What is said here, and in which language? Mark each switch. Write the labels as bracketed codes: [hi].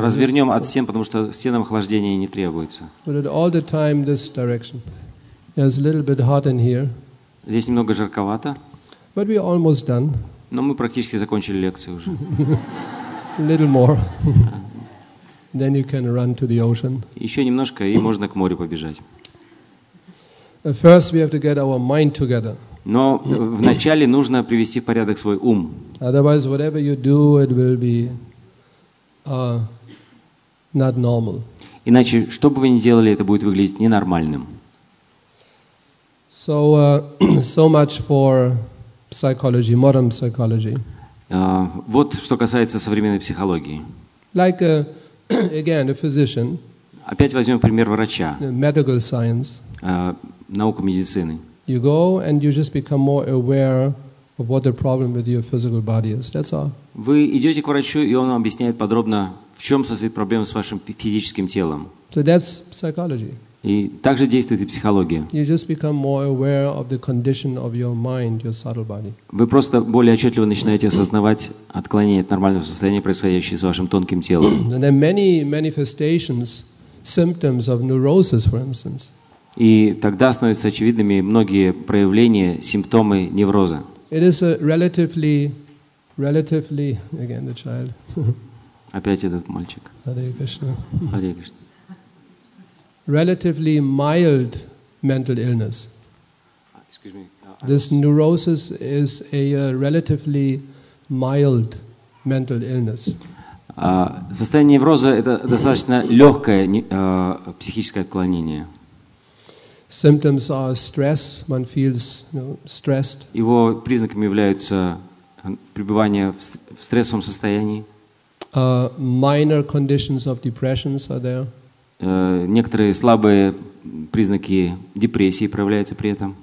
[ru] Развернем от стен, потому что стенам охлаждения не требуется. [en] But all the time this direction. It's a little bit hot in here. [ru] Здесь немного жарковато. [en] But we're almost done. [ru] Но мы практически закончили лекцию уже. [en] Little more. Then you can run to the ocean. [ru] Еще немножко, и можно к морю побежать. [en] First we have to get our mind together. [ru] Но вначале нужно привести в порядок свой ум. [en] Otherwise, whatever you do, it will be not normal. [ru] Иначе, что бы вы ни делали, это будет выглядеть ненормальным. [en] So, so much for psychology, modern psychology. [ru] Вот что касается современной психологии. [en] Like again, a physician. [ru] Опять возьмем пример врача. [en] Medical science. [ru] Наука медицины. [en] You go and you just become more aware of what the problem with your physical body is. That's all. [ru] Вы идете к врачу, и он вам объясняет подробно, в чем состоит проблема с вашим физическим телом. [en] So that's psychology. [ru] И также действует и психология. [en] You just become more aware of the condition of your mind, your subtle body. [ru] Вы просто более отчетливо начинаете осознавать отклонение от нормального состояния, происходящее с вашим тонким телом. [en] And there are many manifestations, symptoms of neurosis, for instance. [ru] И тогда становятся очевидными многие проявления, симптомы невроза. [en] It is a relatively again the child. [ru] Опять этот мальчик. [sa] Hare Krishna. Hare Krishna. [en] Relatively mild mental illness. Excuse me. This neurosis is a relatively mild mental illness. [ru] Состояние невроза это достаточно легкое психическое отклонение. [en] Symptoms are stress. One feels, you know, stressed. [ru] Его признаками являются пребывание в стрессовом состоянии. [en] Minor conditions of depressions are there. [ru] Некоторые слабые признаки депрессии проявляются при этом.